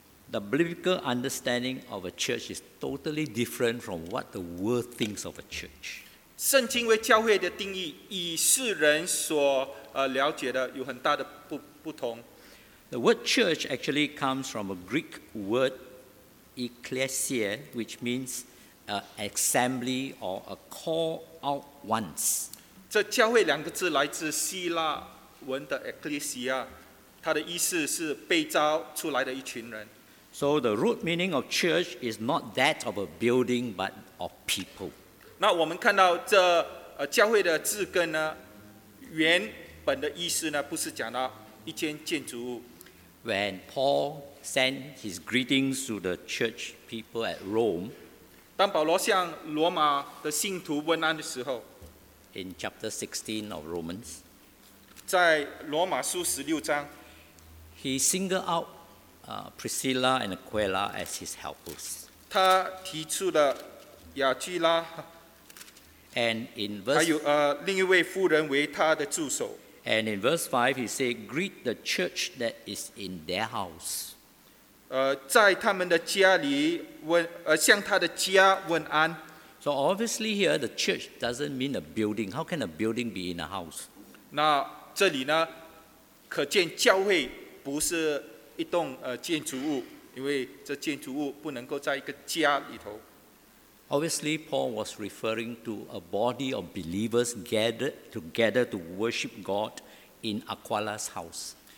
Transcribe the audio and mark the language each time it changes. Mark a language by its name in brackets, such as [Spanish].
[English] The biblical understanding of a church is totally different from what the world thinks of a church. [Chinese] 圣经为教会的定义与世人所了解的有很大的不同。 [English] The word church actually comes from a Greek word ekklesia, which means assembly or a call out once. [Chinese] 这教会两个字来自希腊文的 ekklesia, 它的意思是被召出来的一群人。 [English] So the root meaning of church is not that of a building, but of people. [Chinese] 那我们看到这教会的字根呢，原本的意思呢，不是讲到一间建筑物。 [English] When Paul sent his greetings to the church people at Rome, [Chinese] 当保罗向罗马的信徒问安的时候， [English] in chapter 16 of Romans, [Chinese] 在罗马书十六章， [English] he singled out Priscilla and Aquila as his helpers. [Chinese] 他提出了雅基拉， [English] and in verse [Chinese] 还有另一位妇人为他的助手。 [English] And in verse 5, he said, greet the church that is in their house. [Chinese] 在他们的家里问，向他的家问安。 [English] So obviously here, the church doesn't mean a building. How can a building be in a house? [Chinese] 那这里呢，可见教会不是一栋建筑物，因为这建筑物不能够在一个家里头。 [English] Obviously, Paul was referring to a body of believers gathered together to worship God in Aquila's house.